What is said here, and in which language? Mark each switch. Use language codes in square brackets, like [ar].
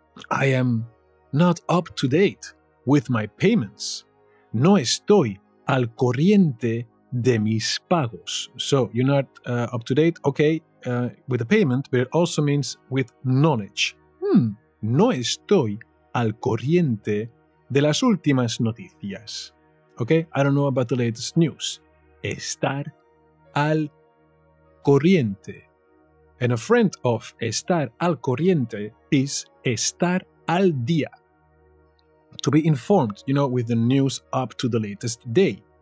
[en] I am not up to date with my payments. [es] no estoy al corriente de mis pagos. [en] So, you're not up to date, okay, with the payment, but it also means with knowledge. [es] No estoy al corriente de las últimas noticias. [en] Okay, I don't know about the latest news. [es] Estar al corriente. [en] And a friend of [es] estar al corriente [en] is [es] estar al día. [en] To be informed, you know, with the news up to the latest day.